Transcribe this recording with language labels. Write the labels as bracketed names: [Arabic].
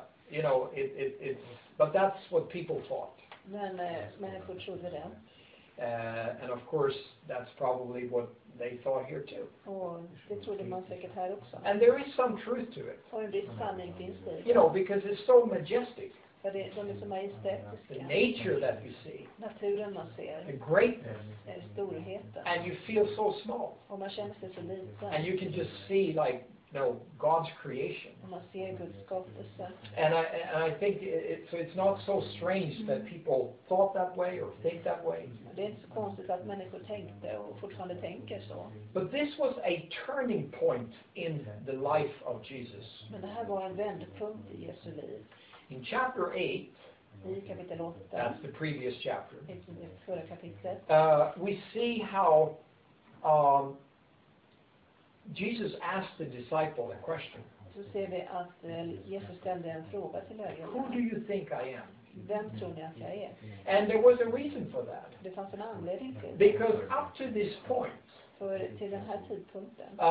[English] You know, but that's what people thought. [Swedish] Men människor trodde det. [English] And of course, that's probably what they thought here too. [Swedish] Och det trodde man säkert här också. [English] And there is some truth to it. [Swedish] Och en viss sanning finns det. [English] You know, because it's so majestic. [Swedish] För det är så majestätiska. [English] The nature that you see. [Swedish] Naturen man ser. [English] The greatness. [Swedish] Storheten. [English] And you feel so small. [Swedish] Och man känner sig så liten. [English] And you can just see like, no, God's creation. [Swedish] Man ser Guds skapelse. [English] And I think it's not so strange that people thought that way or think that way. [Swedish] Det är inte så konstigt att människor tänkte och fortfarande tänker så. [English] But this was a turning point in the life of Jesus. [Swedish] Men det här var en vändpunkt i Jesu liv. [English] In chapter 8, [Swedish] i kapitel 8, [English] that's the previous chapter, [Swedish] i förra kapitlet, [English] we see how Jesus asked the disciple a question. [Swedish] Så ser vi att Jesus ställde en fråga till lärjungarna. [English] Who do you think I am? [Swedish] Vem tror ni att jag är? [English] And there was a reason for that. [Swedish] Det fanns en anledning till. [English] Because up to this point, [Swedish] för till den här tidpunkten,